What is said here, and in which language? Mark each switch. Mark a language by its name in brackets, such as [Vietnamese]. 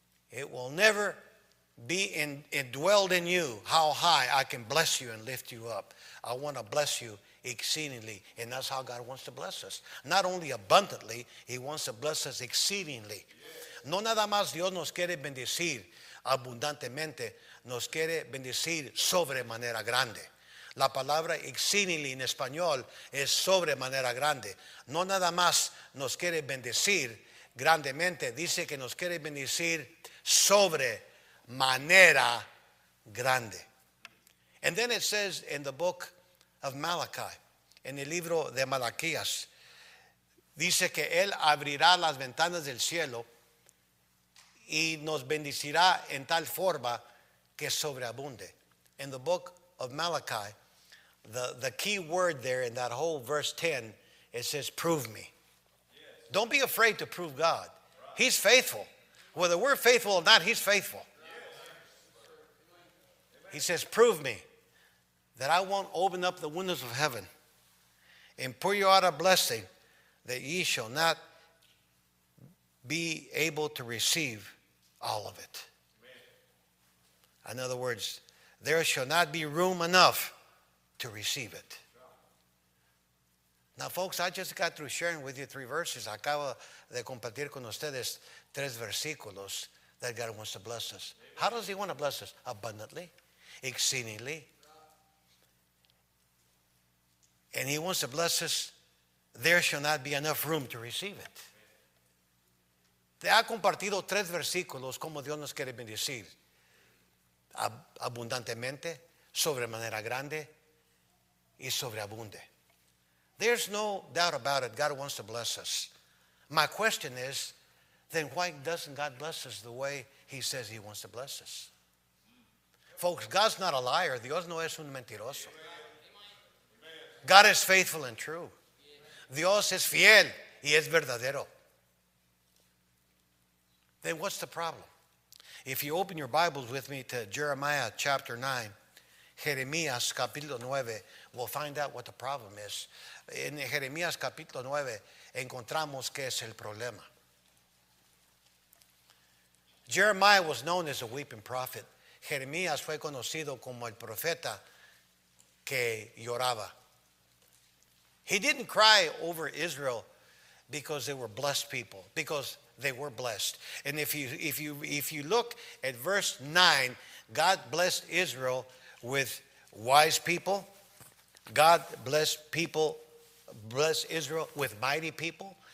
[English] It will never be indwelled in you how high I can bless you and lift you up. I want to bless you exceedingly. And that's how God wants to bless us. Not only abundantly, he wants to bless us exceedingly. [Spanish] No nada más Dios nos quiere bendecir abundantemente. Nos quiere bendecir sobremanera grande. La palabra exceedingly en español es sobremanera grande. No nada más nos quiere bendecir grandemente. Dice que nos quiere bendecir sobremanera grande. [English] And then it says in the book of Malachi, [Spanish] en el libro de Malaquías, dice que él abrirá las ventanas del cielo y nos bendecirá en tal forma que sobreabunde. [English] In the book of Malachi, the key word there in that whole verse 10, it says, prove me. Yes. Don't be afraid to prove God. Right. He's faithful. Whether we're faithful or not, he's faithful. Yes. He says, prove me that I won't open up the windows of heaven and pour you out a blessing that ye shall not be able to receive all of it. Amen. In other words, there shall not be room enough to receive it. Now, folks, I just got through sharing with you three verses. [Spanish] Acabo de compartir con ustedes tres versículos [English] that God wants to bless us. How does he want to bless us? Abundantly, exceedingly. And he wants to bless us. There shall not be enough room to receive it. [Spanish] Te ha compartido tres versículos como Dios nos quiere bendecir. Abundantemente, sobremanera grande, y sobreabunde. [English] There's no doubt about it. God wants to bless us. My question is, then why doesn't God bless us the way he says he wants to bless us? Folks, God's not a liar. [Spanish] Dios no es un mentiroso. [English] God is faithful and true. [Spanish] Dios es fiel y es verdadero. [English] Then what's the problem? If you open your Bibles with me to Jeremiah chapter 9, [Spanish] Jeremías capítulo 9, [English] we'll find out what the problem is. [Spanish] En Jeremías capítulo 9, encontramos qué es el problema. [English] Jeremiah was known as a weeping prophet. [Spanish] Jeremías fue conocido como el profeta que lloraba. [English] He didn't cry over Israel because they were blessed people, because they were blessed. And if you look at verse 9, God blessed Israel with wise people. God blessed people, blessed Israel with mighty people.